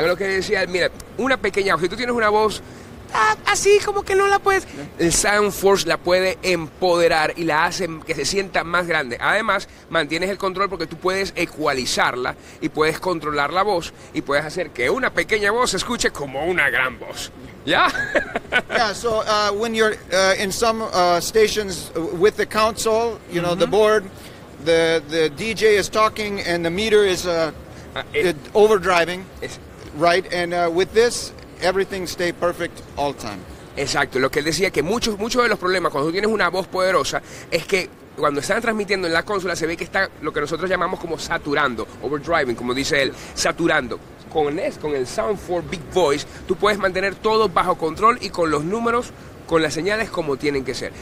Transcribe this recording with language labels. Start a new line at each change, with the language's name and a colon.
Spanish: Lo que decía, mira, una pequeña voz, si tú tienes una voz así, como que no la puedes, el Sound 4 la puede empoderar y la hace que se sienta más grande. Además, mantienes el control porque tú puedes ecualizarla y puedes controlar la voz y puedes hacer que una pequeña voz se escuche como una gran voz. ¿Ya?
English: Yeah, so when you're in some stations with the console, you mm-hmm. know, the board, the DJ is talking and the meter is overdriving, right? And with this, everything stay perfect all time.
Spanish: Exacto. Lo que él decía, que muchos de los problemas cuando tú tienes una voz poderosa es que cuando están transmitiendo en la consola se ve que está lo que nosotros llamamos como saturando, overdriving, como dice él, saturando. Con el Sound 4 Big Voice, tú puedes mantener todo bajo control y con los números, con las señales como tienen que ser.